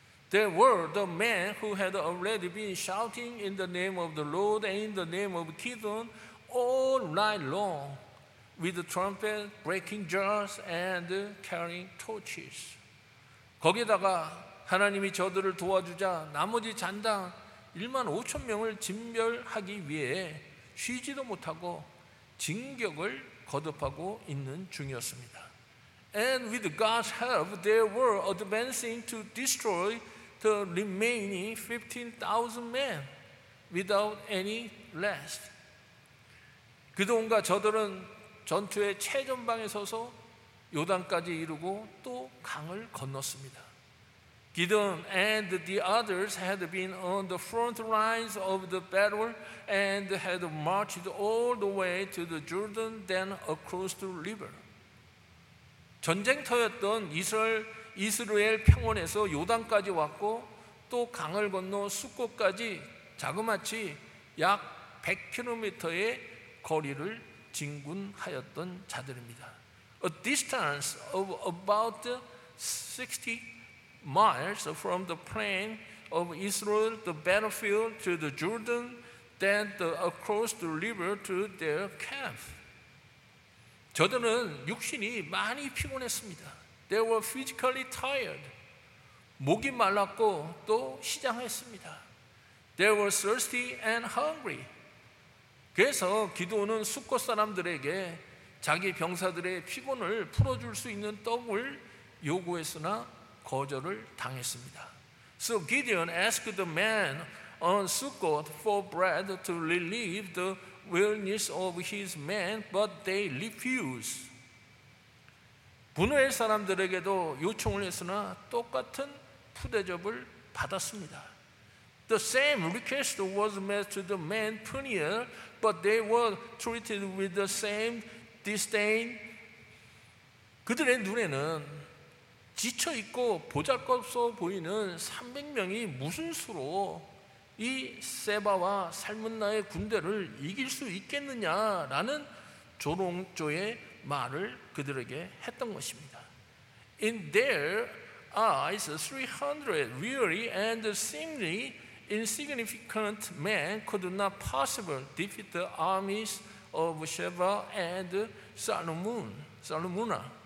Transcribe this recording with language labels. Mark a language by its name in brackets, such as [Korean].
[English] They were the men who had already been shouting in the name of the Lord and in the name of Gideon all night long with the trumpet, breaking jars, and carrying torches. [Korean] 거기다가 하나님이 저들을 도와주자 나머지 잔당 1만 5천 명을 진멸하기 위해 쉬지도 못하고 진격을 거듭하고 있는 중이었습니다. [English] And with God's help, they were advancing to destroy the remaining 15,000 men without any rest. [Korean] 기드온과 저들은 전투의 최전방에 서서 요단까지 이르고 또 강을 건넜습니다. [English] Gideon and the others had been on the front lines of the battle and had marched all the way to the Jordan, then across the river. [Korean] 전쟁터였던 이스라엘 평원에서 요단까지 왔고 또 강을 건너 숙고까지 자그마치 약 100km의 거리를 진군하였던 자들입니다. [English] A distance of about 60 miles from the plain of Israel, the battlefield to the Jordan, then across the river to their camp. [Korean] 저들은 육신이 많이 피곤했습니다. [English] They were physically tired. [Korean] 목이 말랐고 또 시장했습니다. [English] They were thirsty and hungry. [Korean] 그래서 기드온은 숫골 사람들에게 자기 병사들의 피곤을 풀어줄 수 있는 떡을 요구했으나 거절을 당했습니다. [English] So Gideon asked the man on Sukkot for bread to relieve the weariness of his men, but they refused. [Korean] 분노할 사람들에게도 요청을 했으나 똑같은 푸대접을 받았습니다. [English] The same request was made to the man Peniel, but they were treated with the same disdain. [Korean] 그들의 눈에는 지쳐 있고 보잘것없어 보이는 300명이 무슨 수로 이 세바와 살문나의 군대를 이길 수 있겠느냐라는 조롱조의 말을 그들에게 했던 것입니다. [English] In their eyes, 300 weary and seemingly insignificant men could not possibly defeat the armies of Sheba and Salmunna.